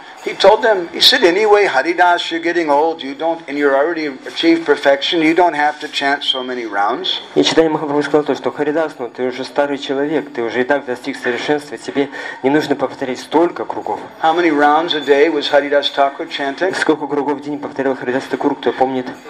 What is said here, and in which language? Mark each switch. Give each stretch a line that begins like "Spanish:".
English: He told them, he said, anyway, Haridas, you're getting old, you don't, and you're already achieved perfection, you don't have to chant so many rounds.
Russian: И читаем Махапрабху сказал то, что Харидас, ну ты уже старый человек, ты уже и так достиг совершенства, тебе не нужно повторять столько кругов.
English: How many rounds a day was Haridas Thakur chanting?
Russian: Сколько кругов в день повторял Харидас Такур, кто помнит?